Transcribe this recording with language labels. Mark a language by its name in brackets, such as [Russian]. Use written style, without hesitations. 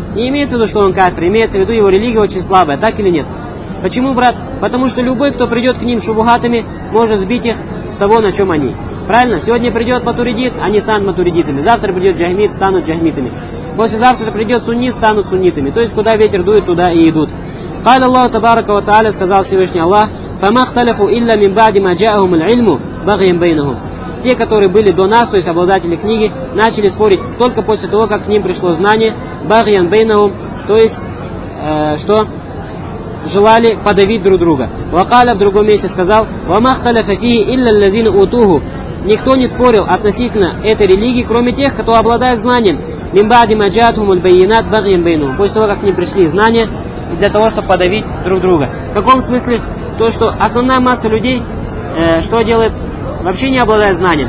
[Russian] Не имеется в виду, что он кафир, имеется в виду, его религия очень слабая, так или нет? Почему, брат? Потому что любой, кто придет к ним шубухатами, может сбить их с того, на чем они. Правильно? Сегодня придет матуридит, они станут матуридитами. Завтра придет джахмит, станут джахмитами. Послезавтра придет суннит, станут суннитами. То есть, куда ветер дует, туда и идут. [Arabic] قال الله تبارك وتعالى [Russian] сказал Всевышний Аллах [Arabic] فما اختلفوا إلا من بعد ما جاءهم العلم بغيا بينهم. [Russian] Те, которые были до нас, то есть обладатели книги, начали спорить только после того, как к ним пришло знание [Arabic] بغيا بينهم, [Russian] то есть что желали подавить друг друга. [Arabic] وقال [Russian] в другом месте сказал [Arabic] وما اختلف فيه إلا الذين أوتوه. [Russian] Никто не спорил относительно этой религии, кроме тех, кто обладает знанием [Arabic] من بعد ما جاءهم البينات بغيا بينهم. [Russian] После того, как к ним пришли знания для того, чтобы подавить друг друга. В каком смысле? То, что основная масса людей, что делает? Вообще не обладает знанием.